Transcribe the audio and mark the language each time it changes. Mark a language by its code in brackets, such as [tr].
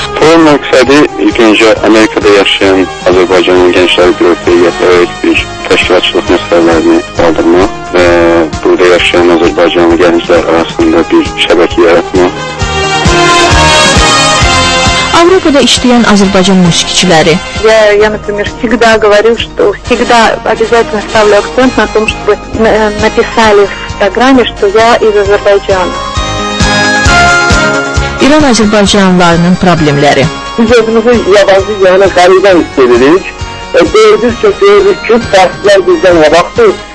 [az] Forum məqsədi ilk öncə Amerikada yaşayan Azərbaycan gənclər qrupu təşkilatçılıq məsələlərini qaldırmaq və burada yaşayan Azərbaycan gənclər arasında bir şəbəkə yaratmaq. Avropada işləyən Azərbaycan musiqiçiləri. [ru] Я, например, всегда говорю, что всегда обязательно ставлю акцент на том, чтобы написали в программе, что я из Азербайджана. [az] İran Azərbaycanlılarının problemləri. Biz özümüzü yabancı yerinə qəribə hiss edirik. Gördük ki, fərqlər bizdən yabaqdır.